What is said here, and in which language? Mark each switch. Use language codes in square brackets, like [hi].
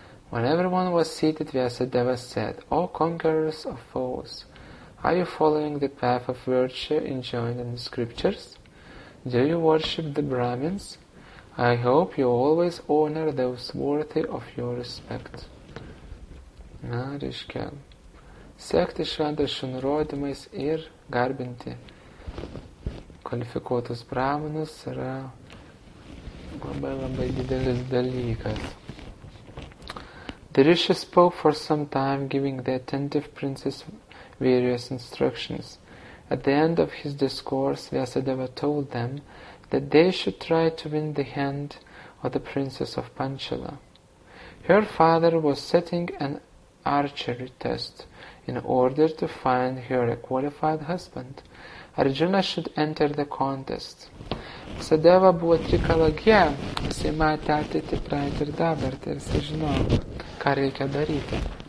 [en] When everyone was seated, Vyasadeva said, "O conquerors of foes, are you following the path of virtue enjoined in the scriptures? Do you worship the Brahmins? I hope you always honor those worthy of your respect." [lt] Na, reiškia, sekti šventas nurodymais ir garbinti kvalifikuotus brahminus yra labai labai didelis dalykas. [en] The Rishi spoke for some time, giving the attentive princes various instructions. At the end of his discourse, Vyasadeva told them that they should try to win the hand of the princess of Panchala. Her father was setting an archery test in order to find her a qualified husband. Arjuna should enter the contest. [lt] Vyasadeva buvo trikalagė, jis matė ateitį praeitį ir dabar, tai jis žinojo, ką reikia daryti.